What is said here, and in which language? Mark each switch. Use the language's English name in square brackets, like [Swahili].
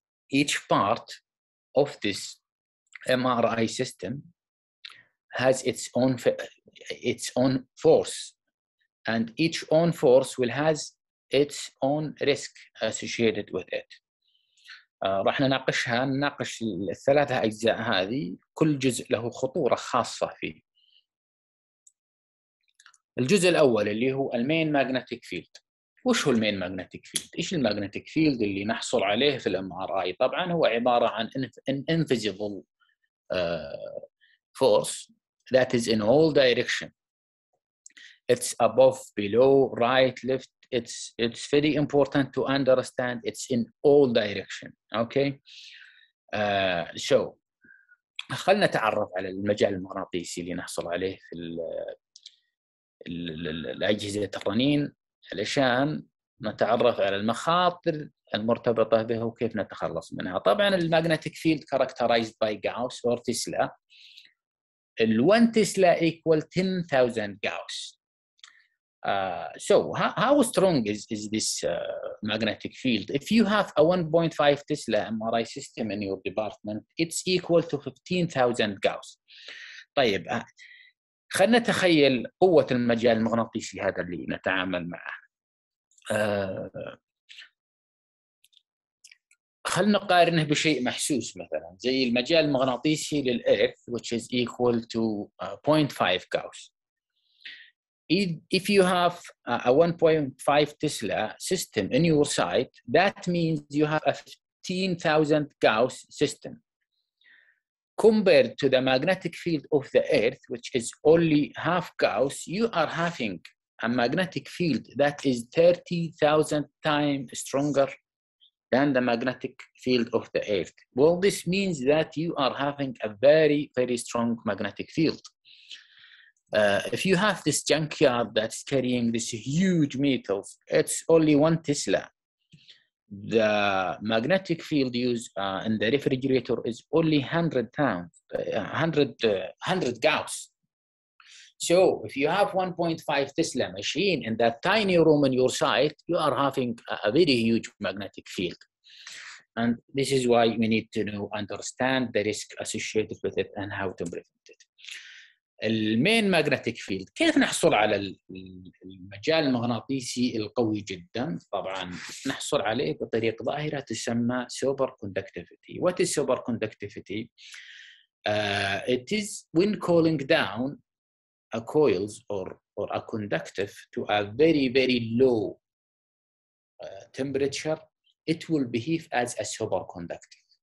[English] Each part of this MRI system has its own force, and each own force will has its own risk associated with it. [Arabic] راح نناقش الثلاثة أجزاء هذه، كل جزء له خطورة خاصة فيه. الجزء الأول اللي هو المين ماجنتيك فيلد. وش هو المين ماجنتيك فيلد؟ إيش الماجنتيك فيلد اللي نحصل عليه في الMRI؟ طبعا هو عبارة عن [English] invisible force that is in all direction. It's above, below, right, left. It's very important to understand it's in all direction. Okay. [Arabic] So خلنا نتعرف على المجال المغناطيسي اللي نحصل عليه في الأجهزة الرنين علشان نتعرف على المخاطر المرتبطة به وكيف نتخلص منها. [English] طبعاً الماجنتيك field characterized by Gauss or Tesla. الوان Tesla equal 10,000 Gauss. So how strong is this magnetic field? If you have a 1.5 Tesla MRI system in your department, it's equal to 15,000 Gauss. [Arabic] طيب خلنا نتخيل قوة المجال المغناطيسي هذا اللي نتعامل معه. خلنا نقارنه بشيء محسوس مثلا زي المجال المغناطيسي للأرث, [English] which is equal to 0.5 Gauss. If you have a 1.5 Tesla system in your site, that means you have a 15,000 Gauss system. Compared to the magnetic field of the Earth, which is only half Gauss, you are having a magnetic field that is 30,000 times stronger than the magnetic field of the Earth. Well, this means that you are having a very, very strong magnetic field. If you have this junkyard that's carrying this huge metals, it's only one Tesla. The magnetic field used in the refrigerator is only 100 pounds, 100 Gauss. So if you have 1.5 Tesla machine in that tiny room in your site, you are having a very huge magnetic field. And this is why we need to know, understand the risk associated with it and how to prevent it. [Arabic] المين ماجنتيك فيلد، كيف نحصل على المجال المغناطيسي القوي جدا؟ طبعا نحصل عليه بطريقة ظاهرة تسمى سوبر كوندكتيفيتي. [English] What is superconductivity? It is when cooling down a coils or a conductive to a very very low temperature, it will behave as a superconductive.